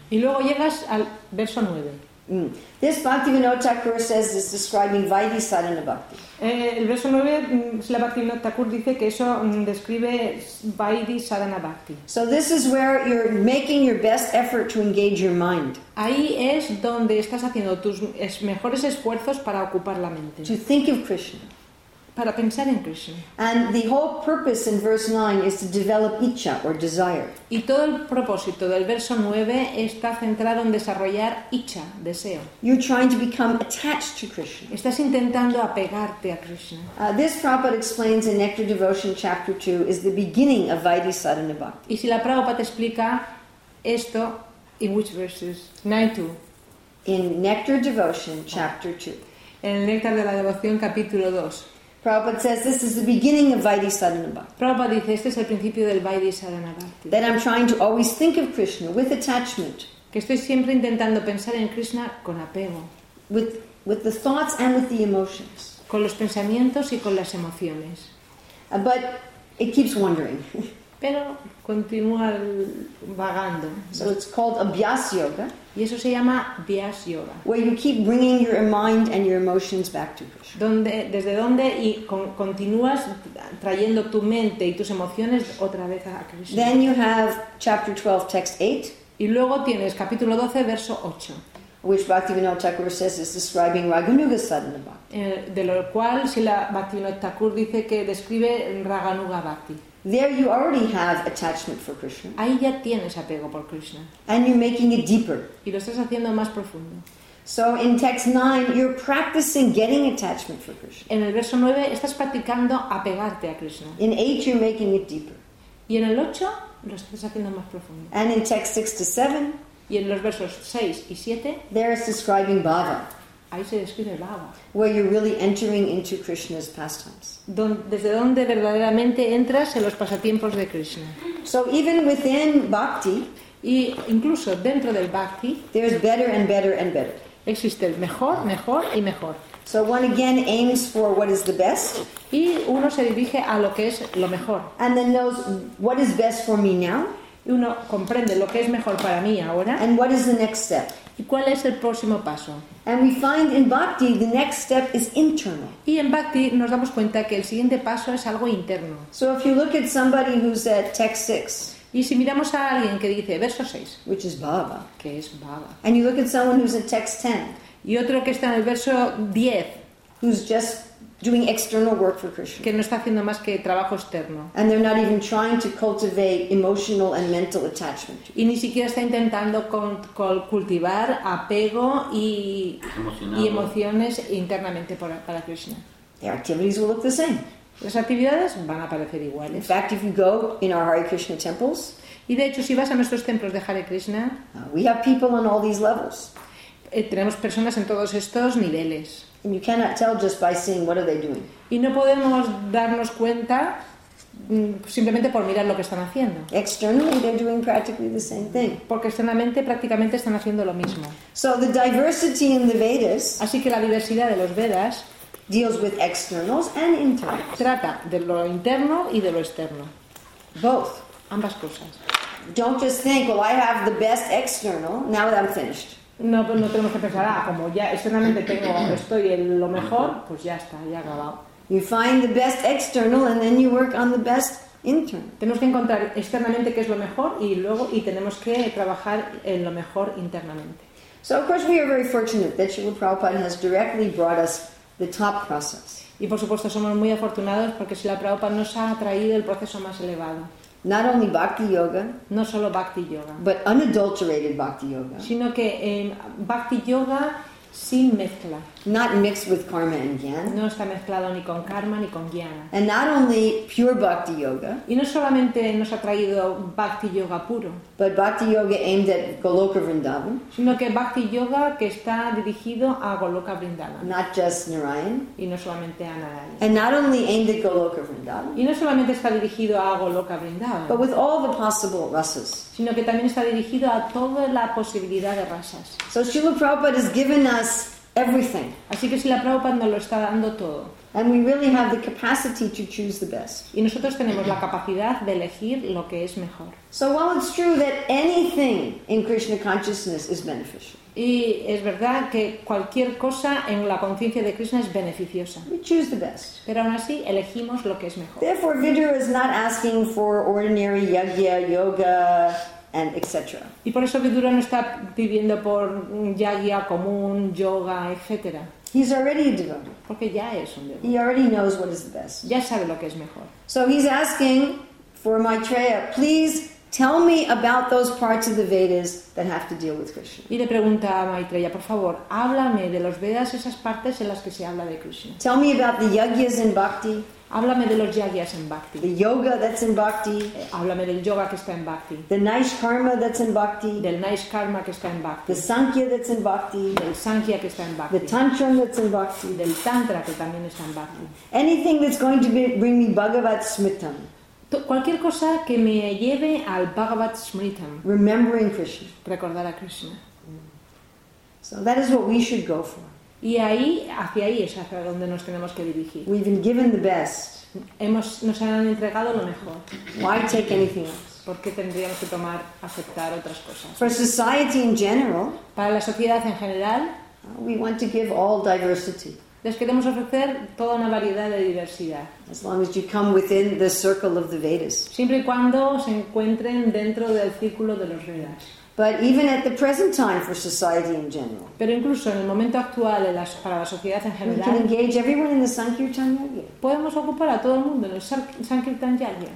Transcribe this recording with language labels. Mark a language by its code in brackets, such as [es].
[es] Y luego llegas al verso 9. [en] Mm. This Bhaktivinoda Thakur says is describing Vaidhi Sadhana Bhakti. [es] El verso 9, la Bhaktivinoda Thakur dice que eso describe Vaidhi Sadhana Bhakti. [en] So this is where you're making your best effort to engage your mind. [es] Ahí es donde estás haciendo tus mejores esfuerzos para ocupar la mente. [en] To think of Krishna. [es] Para pensar en Krishna. [en] And the whole purpose in verse 9 is to develop ichha or desire. [es] Y todo el propósito del verso 9 está centrado en desarrollar ichha, deseo. [en] You're trying to become attached to Krishna. [es] Estás intentando apegarte a Krishna. [en] This Prabhupada explains in Nectar Devotion chapter 2 is the beginning of Vaidhi Sadhana Bhakti. [es] Y si la Prabhupada te explica esto, [en] in which verses? [es] 9-2. [en] In Nectar Devotion chapter 2. [es] En el Néctar de la Devoción capítulo 2. [en] Prabhupada says this is the beginning of Vaidhi Sadhana Bhakti. [es] Prabhupada dice este es el principio del Vaidhi Sadhana Bhakti. [en] That I'm trying to always think of Krishna with attachment. [es] Que estoy siempre intentando pensar en Krishna con apego. [en] With the thoughts and with the emotions. [es] Con los pensamientos y con las emociones. [en] But it keeps wandering. [es] Pero continúa vagando. [en] So it's called Abhyas Yoga. [es] Y eso se llama Abhyas Yoga. [en] Where you keep bringing your mind and your emotions back to Krishna. [es] Continúas trayendo tu mente y tus emociones otra vez a Krishna. [en] Then you have chapter 12, text 8. [es] Y luego tienes capítulo 12, verso 8. [en] Which Bhaktivinoda Thakur says is describing Raganuga Sadhana Bhakti. [es] De lo cual, si la Bhaktivinoda Thakur dice que describe Raganuga Bhakti. [en] There you already have attachment for Krishna. [es] Ahí ya tienes apego por Krishna. [en] And you're making it deeper. [es] Y lo estás haciendo más profundo. [en] So in text 9, you're practicing getting attachment for Krishna. [es] En el verso 9, estás practicando apegarte a Krishna. [en] In 8, you're making it deeper. [es] Y en el 8, lo estás haciendo más profundo. [en] And in text 6 to 7, [es] y en los versos 6 y 7, [en] there is describing bhava. [es] Ahí se describe bhava. [en] Where you're really entering into Krishna's pastimes. [es] Desde donde verdaderamente entras en los pasatiempos de Krishna. [en] So even within bhakti, [es] y incluso dentro del bhakti, [en] there's better and better and better. [es] Existe el mejor, mejor y mejor. [en] So one again aims for what is the best. [es] Y uno se dirige a lo que es lo mejor. [en] And then knows what is best for me now. [es] Y uno comprende lo que es mejor para mí ahora. [en] And what is the next step? [es] ¿Y cuál es el próximo paso? [en] And we find in bhakti the next step is internal. [es] Y en bhakti nos damos cuenta que el siguiente paso es algo interno. [en] So if you look at somebody who's at text 6. [es] Y si miramos a alguien que dice verso 6, [en] which is Baba, [es] que es Baba. [en] And you look at someone who's at text 10. [es] Y otro que está en el verso 10, [en] who's just doing external work for Krishna, [es] que no está haciendo más que trabajo externo, [en] and they're not even trying to cultivate emotional and mental attachment, [es] y ni siquiera está intentando cultivar apego y emociones internamente para Krishna, [en] the activities will look the same. [es] Las actividades van a parecer iguales. [en] In fact, if you go in our Hare Krishna temples, [es] y de hecho si vas a nuestros templos de Hare Krishna, [en] we have people on all these levels. [es] Tenemos personas en todos estos niveles. [en] And you cannot tell just by seeing what are they doing. [es] Y no podemos darnos cuenta simplemente por mirar lo que están haciendo. [en] Externally, they're doing practically the same thing. [es] Porque externamente prácticamente están haciendo lo mismo. [en] So the diversity in the Vedas. [es] Así que la diversidad de los Vedas [en] deals with externals and internals. [es] Trata de lo interno y de lo externo. [en] Both, [es] ambas cosas. [en] Don't just think, well, I have the best external. Now that I'm finished. [es] No, pues no tenemos que pensar, como ya externamente estoy en lo mejor, pues ya está, ya acabado. [en] You find the best external and then you work on the best internal. [es] Tenemos que encontrar externamente qué es lo mejor y tenemos que trabajar en lo mejor internamente. [en] So of course we are very fortunate that Srila Prabhupada has directly brought us the top process. [es] Y por supuesto somos muy afortunados porque Srila Prabhupada nos ha traído el proceso más elevado. [en] Not only bhakti yoga, [es] no solo bhakti yoga, [en] but unadulterated bhakti yoga, [es] sino que bhakti yoga sin mezcla, [en] not mixed with karma and jnana, [es] no está mezclado ni con karma ni con jnana, [en] and not only pure bhakti yoga, [es] y no solamente nos ha traído bhakti yoga puro, [en] but bhakti yoga aimed at Goloka Vrindavan, [es] sino que bhakti yoga que está dirigido a Goloka Vrindavan, [en] not just Narayan, [es] y no solamente a Narayan, [en] and not only aimed at Goloka Vrindavan, [es] y no solamente está dirigido a Goloka Vrindavan, [en] but with all the possible rasas, [es] sino que también está dirigido a toda la posibilidad de rasas. [en] So Srila Prabhupada has given us everything. [es] Así que Srila Prabhupada nos lo está dando todo. [en] And we really have the capacity to choose the best. [es] Y nosotros tenemos la capacidad de elegir lo que es mejor. [en] So while it's true that anything in Krishna consciousness is beneficial. [es] Y es verdad que cualquier cosa en la conciencia de Krishna es beneficiosa. [en] We choose the best. [es] Pero aún así elegimos lo que es mejor. [en] Therefore, Vidura is not asking for ordinary yajna, yoga, and etc. [es] Y por eso Vidura no está pidiendo por yajna común, yoga, etc. [en] He's already a devotee. [es] Porque ya es un devoto. [en] He already knows what is the best. [es] Ya sabe lo que es mejor. [en] So he's asking for Maitreya, please tell me about those parts of the Vedas that have to deal with Krishna. [es] Y le pregunta a Maitreya, por favor, háblame de los Vedas, esas partes en las que se habla de Krishna. [en] Tell me about the yajnas in bhakti. [es] Háblame de los yajnas en bhakti. [en] The yoga that's in bhakti. [es] Háblame del yoga que está en bhakti. [en] The nice karma that's in bhakti. [es] Del nice karma que está en bhakti. [en] The sankhya that's in bhakti. [es] Del sankhya que está en bhakti. [en] The tantra that's in bhakti. [es] Del tantra que también está en bhakti. [en] Anything that's going to bring me Bhagavad Smritam. [es] Cualquier cosa que me lleve al Bhagavad Smritam. [en] Remembering Krishna. [es] Recordar a Krishna. [en] So that is what we should go for. [es] Y ahí, hacia ahí es hacia donde nos tenemos que dirigir. [en] We've been given the best. [es] Nos han entregado lo mejor. [en] Why take anything else? [es] ¿Por qué tendríamos que aceptar otras cosas? [en] For society in general. [es] Para la sociedad en general. [en] We want to give all diversity. [es] Les queremos ofrecer toda una variedad de diversidad. [en] As long as you come within the circle of the Vedas. [es] Siempre y cuando se encuentren dentro del círculo de los Vedas. [en] But even at the present time for society in general. [es] Pero incluso en el momento actual para la sociedad en general. [en] We can engage everyone in the Sankirtan Yajna. [es] Podemos ocupar a todo el mundo en el Sankirtan Yajna.